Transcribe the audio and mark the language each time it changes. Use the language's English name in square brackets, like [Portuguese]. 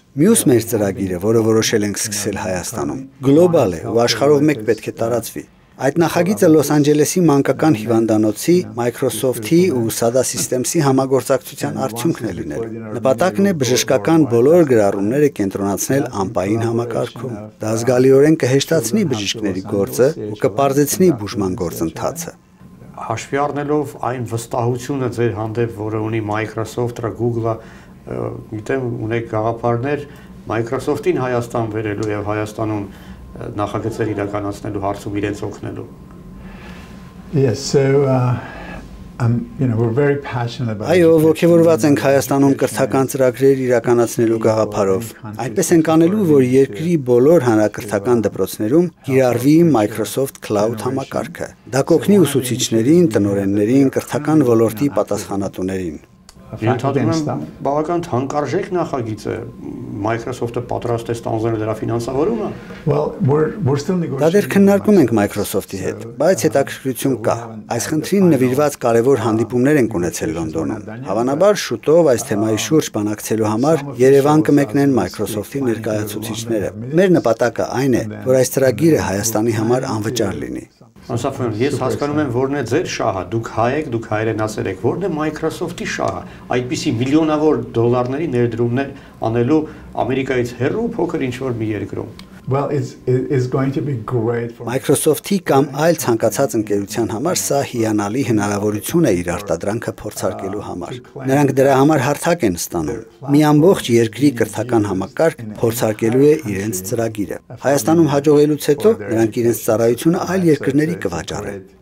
[Armenian] Մյուս մեր ծրագիրը, որը որոշել ենք սկսել Հայաստանում, գլոբալ է ու աշխարհով մեկ պետք է տարածվի։ Այդ նախագիծը Լոս Անջելեսի մանկական հիվանդանոցի, Microsoft-ի ու SADA Systems-ի համագործակցության արդյունքն է լինել։ Նպատակն է բժշկական բոլոր գրառումները կենտրոնացնել անպային համակարգում։ Դա զգալիորեն կհեշտացնի բժիշկների գործը ու կպարզեցնի բուժման գործընթացը։ Հաշվի առնելով այն վստահությունը ձեր հանդեպ, որը ունի Microsoft-ը, Google-ը, գիտեմ, ունեք գաղափարներ Microsoft-ին Հայաստան վերելու եւ Հայաստանում նախագծեր իրականացնելու հարցում իրենց օգնելու։ [English] Yes, so we're very passionate about. [Armenian] Այո, ոգևորված ենք Հայաստանում կրթական ծրագրեր իրականացնելու գաղափարով։ Այնպես ենք անելու, որ երկրի բոլոր հանրակրթական դպրոցներում կիրառվի Microsoft Cloud համակարգը։ Դա կօգնի ուսուցիչներին, տնօրեններին, կրթական ոլորտի պատասխանատուներին։ Բավական թանկարժեք նախագիծ է։ Microsoft-ը պատրաստ է ստանձնել դրա ֆինանսավորումը։ [English] Well, we're still negotiating. [Armenian] Դա դեռ քննարկում ենք Microsoft-ի հետ, բայց հետաքրքրություն կա։ Այս խնդրին նվիրված կարևոր հանդիպումներ են ունեցել Լոնդոնում։ Հավանաբար շուտով այս թեմայի շուրջ բանակցելու համար Երևան կմեկնեն Microsoft-ի ներկայացուցիչները։ Մեր նպատակը այն է, որ այս ծրագիրը Հայաստանի համար անվճար լինի։ Ասաֆյան, ես հասկանում եմ, որն է ձեր շահը, դուք հայ եք, դուք հայրենասեր եք, որն է Microsoft-ի շահը, այդպիսի միլիոնավոր դոլարների ներդրումներ անելու Ամերիկայից հեռու փոքր ինչ-որ մի երկրում։ [English] Well, it's going to be great for [Armenian] Microsoft-ի կամ այլ ցանկացած ընկերության համար սա հիանալի հնարավորություն է իր արտադրանքը փորձարկելու համար։ Նրանք դրա համար հարթակ են ստանում։ Մի ամբողջ երկրի կրթական համակարգ փորձարկելու է իրենց ծրագիրը։ Հայաստանում հաջողելուց հետո նրանք իրենց ծառայությունը այլ երկրների կվաճառեն։